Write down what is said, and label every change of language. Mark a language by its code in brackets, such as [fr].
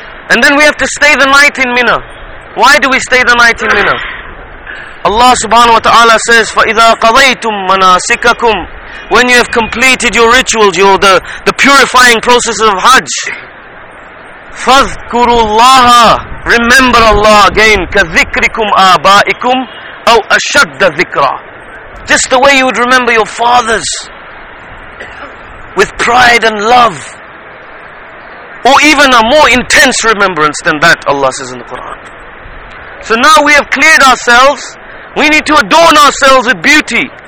[en] And then we have to stay the night in Mina. Why do we stay the night in Mina? Allah subhanahu wa ta'ala says, [ar] فَإِذَا قَضَيْتُم مَنَاسِكَكُمْ. [en] When you have completed your rituals, your the purifying processes of Hajj, [ar] فَذْكُرُوا اللَّهَ. [en] Remember Allah again, [ar] كَذِكْرِكُمْ آبَائِكُمْ أَوْ أَشَدَّ ذِكْرًا. [en] Just the way you would remember your fathers, with pride and love, or even a more intense remembrance than that, Allah says in the Quran. So now we have cleared ourselves, we need to adorn ourselves with beauty.